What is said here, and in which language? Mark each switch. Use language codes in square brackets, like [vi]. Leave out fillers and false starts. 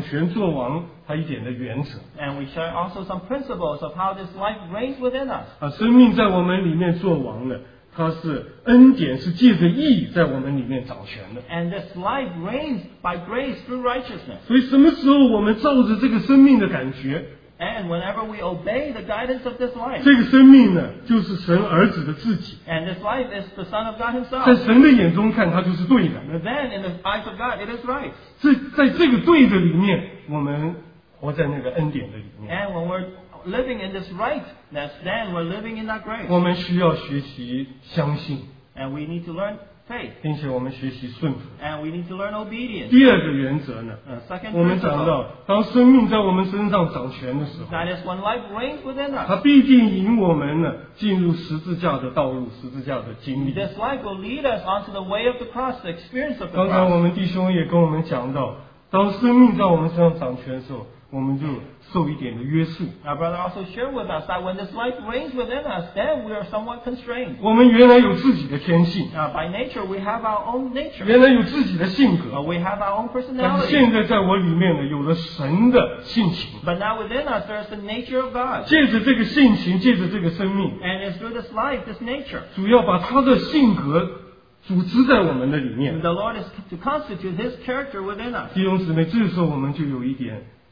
[zh] 我们要讲到这个生命在我们里面掌权作王它一点的原则。 [en] And we share also some principles of how this life reigns within us. [zh] 生命在我们里面作王的, 它是恩典是借着义在我们里面掌权的。 [en] And this life reigns by grace through righteousness. [zh] 所以什么时候我们照着这个生命的感觉, [en] and whenever we obey the guidance of this life, [zh] 这个生命呢, 就是神儿子的自己, [en] and this life is the Son of God himself, [zh] 在神的眼中看, 它就是对的, [en] but then in the eyes of God, it is right. [zh] 在这个对的里面, 我们活在那个恩典的里面。 [en] And when we're living in this rightness, then we're living in that grace. [zh] 我们需要学习相信, [en] and we need to learn faith, [zh] 并且我们学习顺服, [en] and we need to learn obedience. [zh] 第二个原则呢, [en] second, [zh] 我们讲到, 当生命在我们身上掌权的时候, [en] that is when life reigns within us, [zh] 它必定引我们呢, 进入十字架的道路, 十字架的经历。 [en] This life will lead us onto the way of the cross, the experience of the cross. [zh] 刚才我们弟兄也跟我们讲到, 当生命在我们身上掌权的时候, 我们就受一点的约束。 [en] Our brother also shared with us that when this life reigns within us, then we are somewhat constrained. [zh] 我们原来有自己的天性。 [en] By nature, we have our own nature. [zh] 原来有自己的性格。 [en] We have our own personality. [zh] 现在在我里面呢, 有了神的性情。 [en] But now within us, there is the nature of God. [zh] 借着这个性情, 借着这个生命, [en] and it's through this life, this nature, [zh] 主要把他的性格, 组织在我们的里面。 [en] The Lord is to constitute his character within us. [zh] 弟兄姊妹, 这时候我们就有一点,